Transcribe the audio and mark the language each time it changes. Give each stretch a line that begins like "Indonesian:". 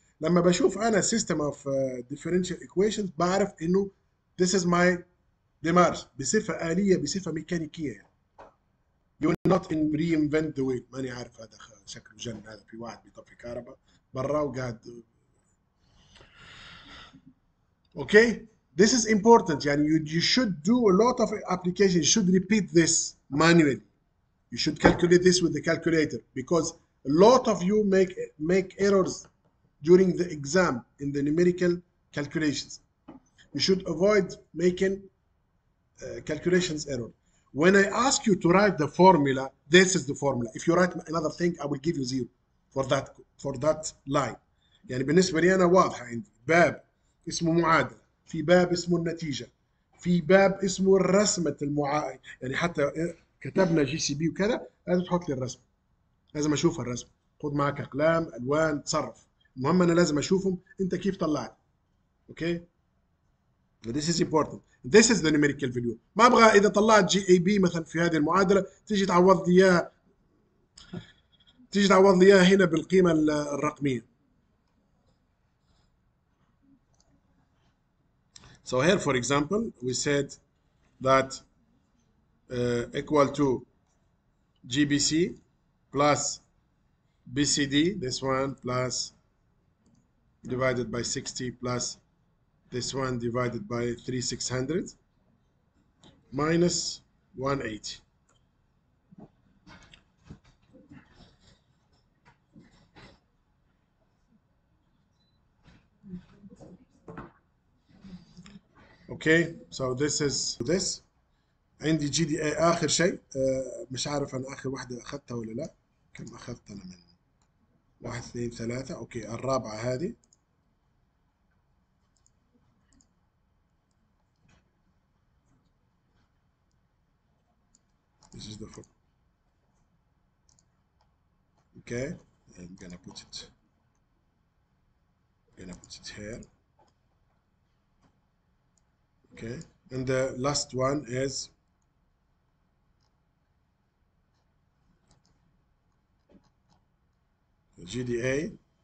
Arabic: لما بشوف انا
English: system of differential equations
Arabic: بعرف انه
English: this is my demarche.
Arabic: بصفة آلية بصفة ميكانيكية.
English: You're not in reinvent the wheel.
Arabic: ماني عارف هذا شكل جن هذا في واحد بيطفي كهرباء برا وقاعد.
English: Okay, this is important. Yani you should do a lot of application. You should repeat this manually. You should calculate this with the calculator because a lot of you make errors during the exam in the numerical calculations. You should avoid making calculations error. When I ask you to write the formula, this is the formula. If you write another thing, I will give you zero for that line.
Arabic: يعني بالنسبة لي أنا واضح عندي باب اسمه معادلة، في باب اسمه النتيجة، في باب اسمه الرسمة يعني حتى كتبنا جي سي بي وكذا، لازم تحط لي الرسمة، لازم أشوف الرسمة، خد معك أقلام، ألوان، تصرف، المهم أنا لازم أشوفهم، أنت كيف طلعت، أوكي؟
English: This is important, this is the numerical value،
Arabic: ما أبغى إذا طلعت جي أي بي مثلا في هذه المعادلة، تيجي تعوض لي إياها هنا بالقيمة الرقمية.
English: So here, for example, we said that equal to GBC plus BCD, this one plus divided by 60 plus this one divided by 3600 minus 180. Okay, so this is this.
Arabic: عندي جي دي اي اخر شيء مش عارف انا اخر واحدة اخذتها ولا لا كم اخذت انا من 1 2 3 اوكي الرابعة هذه
English: This is the four. Okay, I'm gonna put it here. Okay, and the last one is GDA.